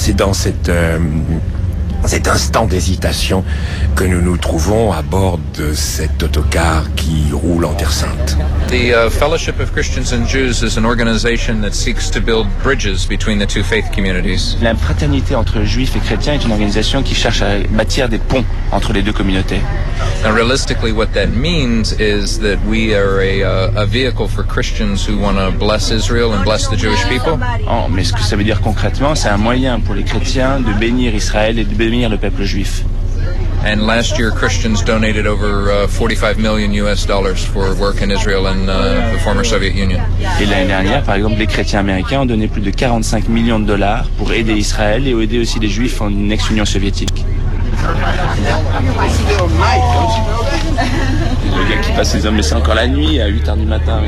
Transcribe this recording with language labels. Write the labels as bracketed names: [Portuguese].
[French] C'est dans cet instant d'hésitation que nous nous trouvons à bord de cet autocar qui roule en Terre Sainte. [English] The Fellowship of Christians and Jews is an organization that seeks to build bridges between the two faith communities. [French] La fraternité entre juifs et chrétiens est une organisation qui cherche à bâtir des ponts entre les deux communautés. [English] Now, realistically, what that means is that we are a vehicle for Christians who want to bless Israel and bless the Jewish people. [French] Oh, mais ce que ça veut dire concrètement, c'est un moyen pour les chrétiens de bénir Israël et de bénir le peuple juif. [English] And last year, Christians donated over $45 million for work in Israel and the former Soviet Union. [French] Et l'année dernière, par exemple, les chrétiens américains ont donné plus de $45 million pour aider Israël et aider aussi les juifs en une ex-Union soviétique. Le gars qui passe les hommes, mais c'est encore la nuit à 8h du matin.